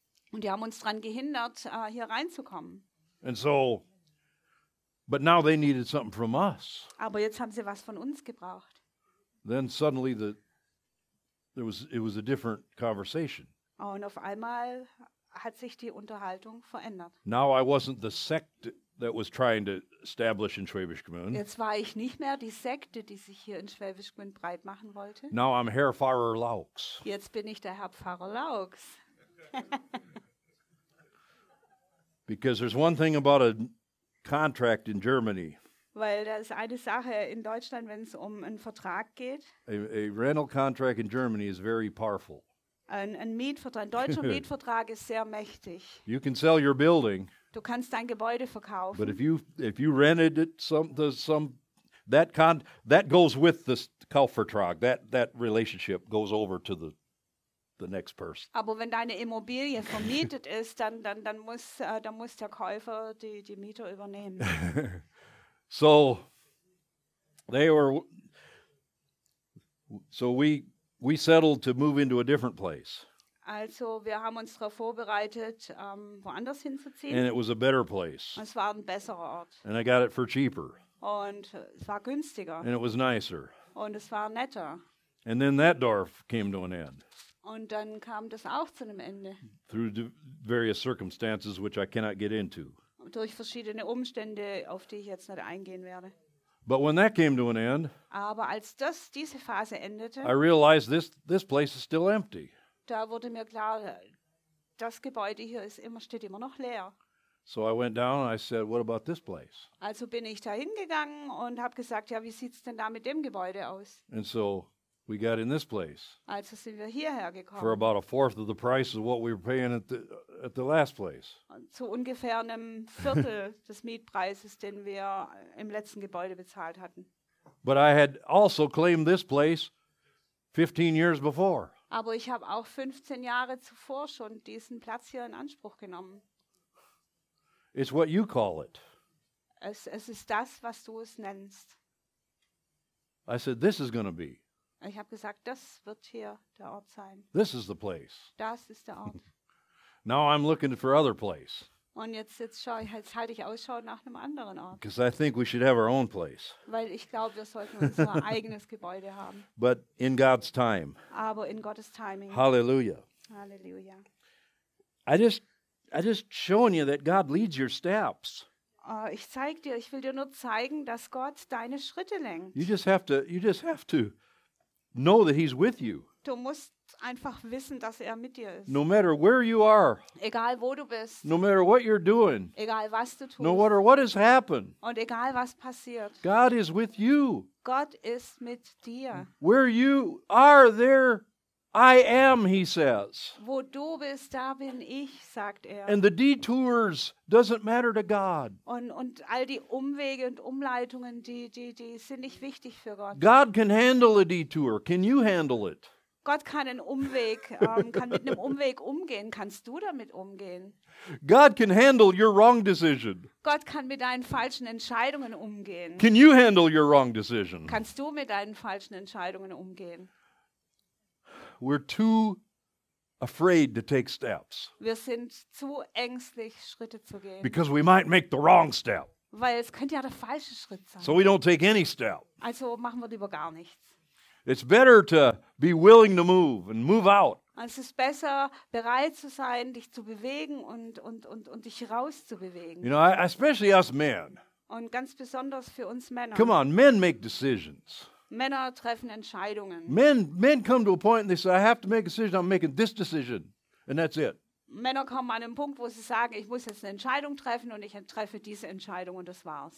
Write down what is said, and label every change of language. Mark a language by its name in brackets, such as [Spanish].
[German] Und die haben uns daran gehindert, hier reinzukommen. [English] And so, but now they needed something from us. [German] Aber jetzt haben sie was von uns gebraucht. [English] Then suddenly it was a different conversation. [German] Und auf einmal hat sich die Unterhaltung verändert. [English] Now I wasn't the sect that was trying to establish in Schwäbisch Gmünd. [German] Jetzt war ich nicht mehr die Sekte, die sich hier in Schwäbisch Gmünd breit machen wollte. [English] Now I'm Herr Pfarrer Laux. [German] Jetzt bin ich der Herr Pfarrer Laux. [English] Because there's one thing about a contract in Germany. [German] Weil da ist eine Sache in Deutschland, wenn es um einen Vertrag geht. [English] A rental contract in Germany is very powerful. [German] Ein deutscher Mietvertrag ist sehr mächtig. [English] You can sell your building. [German] Du kannst dein Gebäude verkaufen. [English] But if you rented it that goes with the Kaufvertrag. That relationship goes over to the next person. [German] Aber wenn deine Immobilie vermietet ist, dann muss der Käufer die Mieter übernehmen. [English] So they were we settled to move into a different place. [German] Also wir haben uns darauf vorbereitet, woanders hinzuziehen. [English] And it was a better place. [German] Und es war ein besserer Ort. [English] And I got it for cheaper. [German] Und es war günstiger. [English] And it was nicer. [German] Und es war netter. [English] And then that door came to an end. [German] Und dann kam das auch zu einem Ende. [English] Through various circumstances which I cannot get into. [German] Durch verschiedene Umstände, auf die ich jetzt nicht eingehen werde. [English] But when that came to an end, [German] aber als das diese Phase endete, [English] I realized this place is still empty. [German] Da wurde mir klar, das Gebäude hier steht immer noch leer. [English] So I went down and I said, what about this place? [German] Also bin ich da hingegangen und habe gesagt, ja, wie sieht's denn da mit dem Gebäude aus? [English] And so we got in this place. [German] Also sind wir hierher gekommen. [English] For about a fourth of the price of what we were paying at the last place. [German] Zu ungefähr einem Viertel des Mietpreises, den wir im letzten Gebäude bezahlt hatten. [English] But I had also claimed this place 15 years before. [German] Aber ich habe auch 15 Jahre zuvor schon diesen Platz hier in Anspruch genommen. [English] It's what you call it. [German] Es ist das, was du es nennst. [English] I said, this is going to be. [German] Ich habe gesagt, das wird hier der Ort sein. [English] This is the place. [German] Das ist der Ort. [English] Now I'm looking for other place. [German] Und jetzt halte ich Ausschau nach einem anderen Ort. [English] Because I think we should have our own place. [German] Weil ich glaube, wir sollten unser eigenes Gebäude haben. [English] But in God's time. [German] Aber in Gottes Timing. [English] Hallelujah. [German] Hallelujah. [English] I just showing you that God leads your steps. [German] Ich will dir nur zeigen, dass Gott deine Schritte lenkt. [English] You just have to know that he's with you. [German] Du musst einfach wissen, dass mit dir ist. [English] No matter where you are. [German] Egal wo du bist. [English] No matter what you're doing. [German] Egal was du tust. [English] No matter what has happened. [German] Und egal was passiert. [English] God is with you. [German] Gott ist mit dir. [English] Where you are, there I am, he says. [German] Wo du bist, da bin ich, sagt [English] And the detours doesn't matter to God. [German] Und all die Umwege und Umleitungen, die sind nicht wichtig für Gott. [English] God can handle a detour. Can you handle it? [German] Gott kann einen Umweg, kann mit einem Umweg umgehen. Kannst du damit umgehen? [English] God can handle your wrong decision. [German] Gott kann mit deinen falschen Entscheidungen umgehen. [English] Can you handle your wrong decision? [German] Kannst du mit deinen falschen Entscheidungen umgehen? [English] We're too afraid to take steps. [German] Wir sind zu ängstlich, Schritte zu gehen. [English] Because we might make the wrong step. [German] Weil es könnte ja der falsche Schritt sein. [English] So we don't take any step. [German] Also machen wir lieber gar nichts. [English] It's better to be willing to move and move out. [German] Es ist besser, bereit zu sein, dich zu bewegen und dich rauszubewegen. [English] You know, especially us men. [German] Und ganz besonders für uns Männer. [English] Come on, men make decisions. [German] Männer treffen Entscheidungen. [English] Men come to a point and they say, I have to make a decision, I'm making this decision, and that's it. [German] Männer kommen an einen Punkt, wo sie sagen, ich muss jetzt eine Entscheidung treffen und ich treffe diese Entscheidung und das war's.